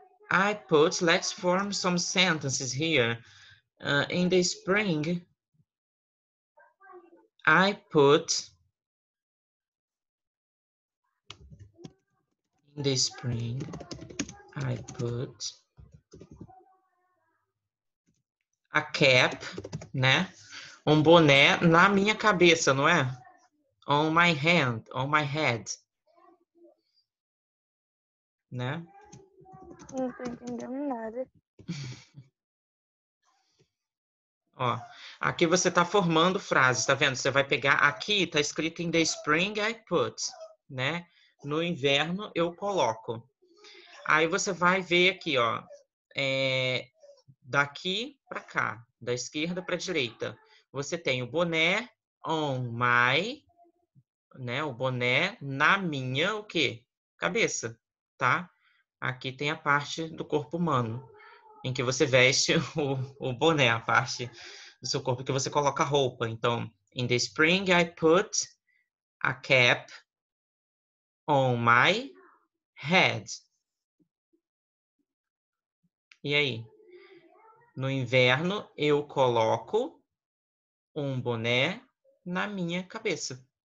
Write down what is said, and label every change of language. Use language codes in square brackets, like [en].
[en] I put, let's form some sentences here. In the spring, I put. In the spring, I put a cap, né? [pt] Um boné na minha cabeça, não é? [en] On my hand, on my head. [pt] Né? Não tô entendendo nada. Ó, aqui você tá formando frases, tá vendo? Você vai pegar aqui, tá escrito [en] in the spring I put, [pt] né? No inverno eu coloco. Aí você vai ver aqui, ó. É, daqui pra cá, da esquerda pra direita. Você tem o boné on my, né? O boné na minha, o quê? Cabeça, tá? Aqui tem a parte do corpo humano, em que você veste o boné, a parte do seu corpo que você coloca a roupa. [en] Então, in the spring, I put a cap on my head. [pt] E aí? No inverno, eu coloco um boné na minha cabeça.